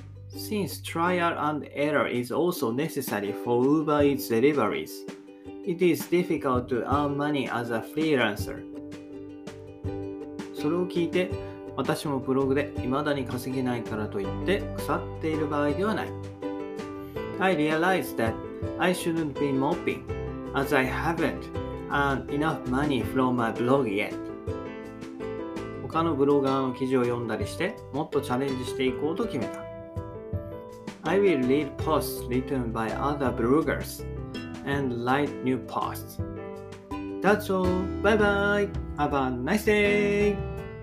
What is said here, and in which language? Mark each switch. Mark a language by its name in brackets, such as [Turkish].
[English] Since trial and error is also necessary for Uber Eats deliveries, it is difficult to earn money as a freelancer. [Japanese] それを聞いて、私もブログで未だに稼げないからといって腐っている場合ではない。 [English] I realize that I shouldn't be moping, as I haven't. And enough money from my blog yet. [Japanese] 他のブロガーの記事を読んだりして、もっとチャレンジしていこうと決めた。 [English] I will read posts written by other bloggers and write new posts. That's all. Bye bye. Have a nice day.